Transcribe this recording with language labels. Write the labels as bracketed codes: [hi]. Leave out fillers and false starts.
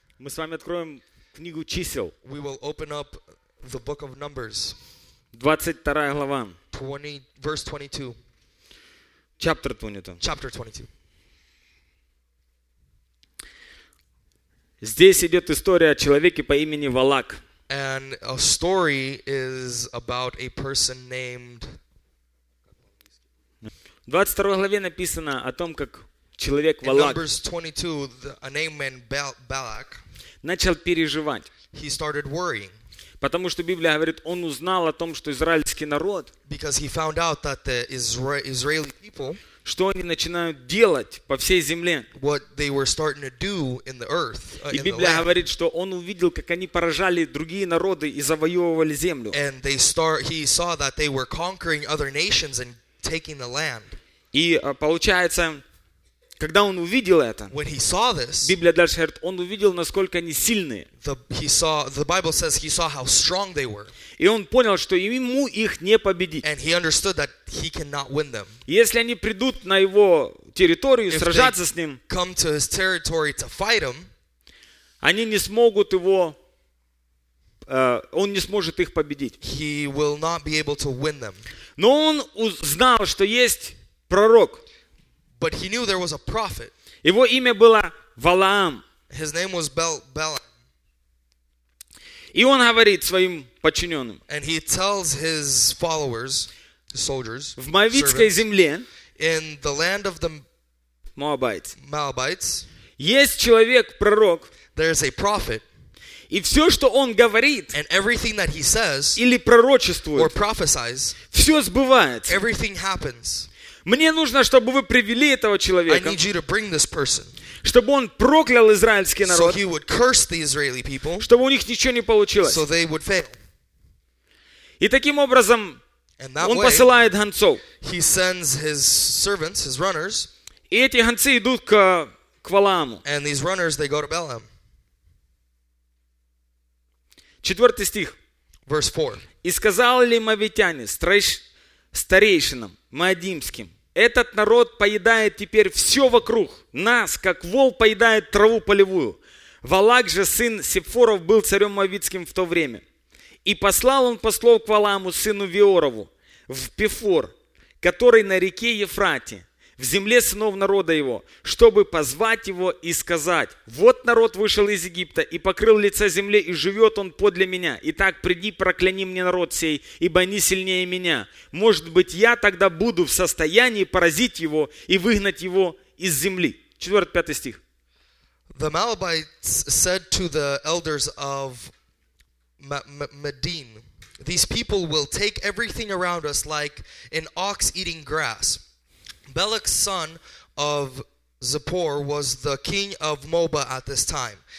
[ru] Мы с вами откроем книгу чисел. [en] We will open up the book of Numbers. [ru] 22 глава. [en] Verse 22. Chapter 22. Chapter 22. [ru] Здесь идет история о человеке по имени Валак. [en] And a story is about a person named... [ru] 22 главе написано о том, как человек Валак. [en] In Numbers 22, a name named Balak. [ru] Начал переживать. [en] He started worrying. [ru] Потому что Библия говорит, он узнал о том, что израильский народ, [en] because he found out that the Israeli people, [ru] что они начинают делать по всей земле. [en] What they were starting to do in the earth, [ru] и Библия говорит, что он увидел, как они поражали другие народы и завоевывали землю. [en] And they he saw that they were conquering other nations and taking the land. [ru] И получается, когда он увидел это, [en] when he saw this, [ru] Библия дальше говорит, он увидел, насколько они сильные. [en] The Bible says he saw how strong they were. [ru] И он понял, что ему их не победить. [en] And he understood that he cannot win them. [ru] Если они придут на его территорию, [en] if [ru] сражаться [en] they [ru] с ним, [en] come to his territory to fight him, [ru] они не смогут его, он не сможет их победить. [en] He will not be able to win them. [ru] Но он узнал, что есть пророк. [en] But he knew there was a prophet. [ru] Его имя было Валаам. [en] His name was Balaam. [ru] И он говорит своим подчиненным. [en] And he tells his followers, his soldiers, [ru] в Моавитской земле, [en] in the land of the Moabites, [ru] есть человек пророк. [en] There is a prophet. [ru] И все, что он говорит, [en] and everything that he says, [ru] или пророчествует, [en] or prophesies, [ru] все сбывается. [en] Everything happens. [ru] Мне нужно, чтобы вы привели этого человека. [en] I need you to bring this person, [ru] чтобы он проклял израильский народ. [en] So he would curse the Israeli people, [ru] чтобы у них ничего не получилось. [en] So they would fail. [ru] И таким образом, [en] and that [ru] он [en] way, [ru] посылает гонцов. [en] He sends his servants, his runners, [ru] и эти гонцы идут к Валааму. [en] And these runners, they go to Balaam. [ru] 4 стих. [en] Verse 4. [ru] И сказал ли мавитяне старейшинам Моадимским, этот народ поедает теперь все вокруг нас, как вол поедает траву полевую. Валак же, сын Сепфоров, был царем Моавитским в то время. И послал он послов к Валааму, сыну Виорову, в Пефор, который на реке Ефрате, в земле сынов народа его, чтобы позвать его и сказать, вот народ вышел из Египта и покрыл лице земли, и живет он подле меня. Итак, приди, прокляни мне народ сей, ибо они сильнее меня. Может быть, я тогда буду в состоянии поразить его и выгнать его из земли. 4-5 стих. [en] The Moabites said to the elders of Medin, these people will take everything around us like an ox eating grass. Balak's son of Zippor was the king of Moab at this time.